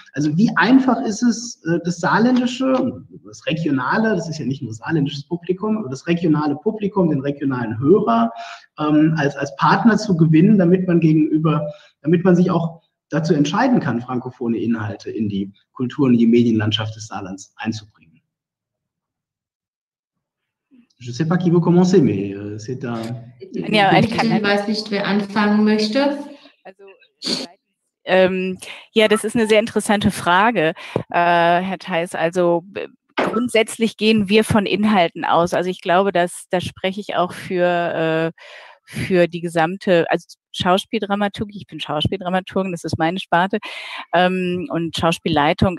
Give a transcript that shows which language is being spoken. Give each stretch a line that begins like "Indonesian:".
German: Also wie einfach ist es, das saarländische, das regionale, das ist ja nicht nur saarländisches Publikum, aber das regionale Publikum, den regionalen Hörer als Partner zu gewinnen, damit man sich auch dazu entscheiden kann, frankophone Inhalte in die Kultur- und die Medienlandschaft des Saarlands einzubringen.
French: Je ne sais pas qui veut commencer, mais c'est un...
German: Ich weiß nicht, wer anfangen möchte. Ja, das ist eine sehr interessante Frage, Herr Theiß. Also grundsätzlich gehen wir von Inhalten aus. Also ich glaube, da spreche ich auch für die gesamte, also Schauspieldramaturgie, ich bin Schauspieldramaturgin, das ist meine Sparte, und Schauspielleitung.